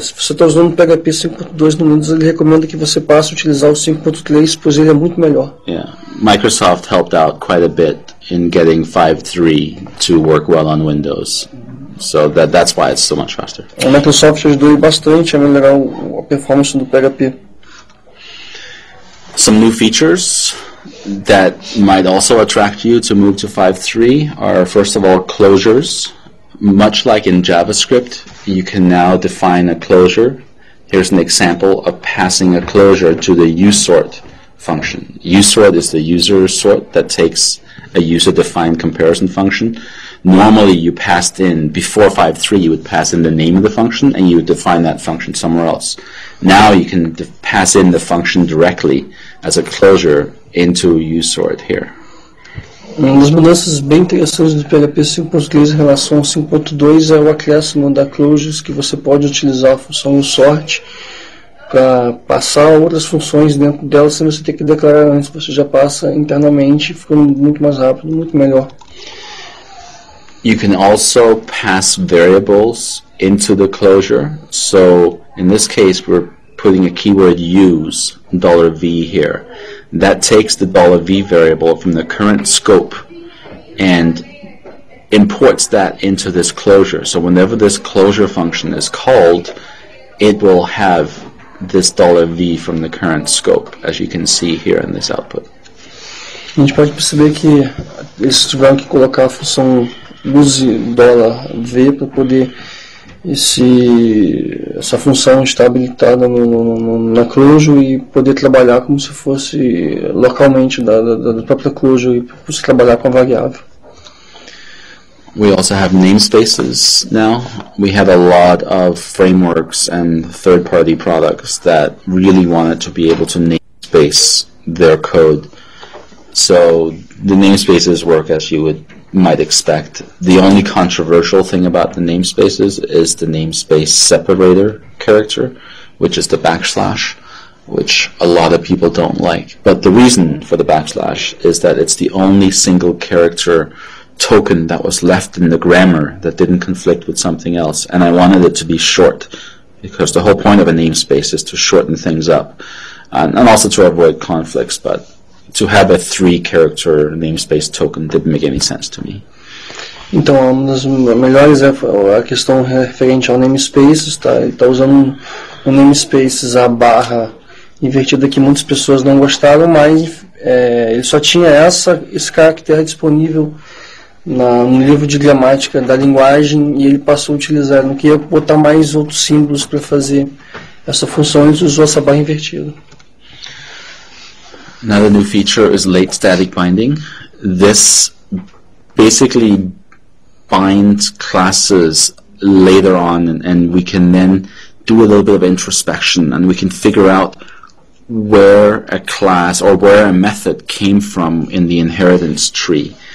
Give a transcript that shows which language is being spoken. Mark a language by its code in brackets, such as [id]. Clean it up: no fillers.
[pt] Se você está usando o PHP 5.2 no Windows, ele recomenda que você passe a utilizar o 5.3, pois ele é muito melhor. [en] Yeah. Microsoft helped out quite a bit in getting 5.3 to work well on Windows. So that's why it's so much faster. [pt] A Microsoft ajudou bastante a melhorar a performance do PHP. [en] Some new features that might also attract you to move to 5.3 are, first of all, closures. Much like in JavaScript, you can now define a closure. Here's an example of passing a closure to the usort function. Usort is the user sort that takes a user-defined comparison function. Normally, you passed in, before 5.3, you would pass in the name of the function, and you would define that function somewhere else. Now, you can pass in the function directly as a closure into usort here. [pt] Uma das mudanças bem interessantes do PHP 5.3 em relação ao 5.2 é o acréscimo da closures, que você pode utilizar a função usort para passar outras funções dentro dela sem você ter que declarar antes. Você já passa internamente, ficando muito mais rápido, muito melhor. [en] You can also pass variables into the closure. So, in this case, we're putting a keyword use, $v here. That takes the $v variable from the current scope and imports that into this closure. So whenever this closure function is called, it will have this $v from the current scope, as you can see here in this output. [pt] A gente pode perceber que eles tiveram que colocar a função use $v para poder essa função está habilitada na closure e poder trabalhar como se fosse localmente da própria closure e poder trabalhar com a variável. [en] We also have namespaces now. We have a lot of frameworks and third-party products that really wanted to be able to namespace their code. So the namespaces work as you would might expect. The only controversial thing about the namespaces is the namespace separator character, which is the backslash, which a lot of people don't like. But the reason for the backslash is that it's the only single character token that was left in the grammar that didn't conflict with something else, and I wanted it to be short, because the whole point of a namespace is to shorten things up, and also to avoid conflicts, but to have a three-character namespace token didn't make any sense to me. [pt] Então, uma das melhores é a questão referente ao namespace, tá? Ele está usando um namespace, a barra invertida, que muitas pessoas não gostaram, mas ele só tinha esse caractere disponível no livro de gramática da linguagem, e ele passou a utilizar. Não queria botar mais outros símbolos para fazer essa função, ele usou essa barra invertida. [en] Another new feature is late static binding. This basically binds classes later on, and we can then do a little bit of introspection, and we can figure out where a class or where a method came from in the inheritance tree.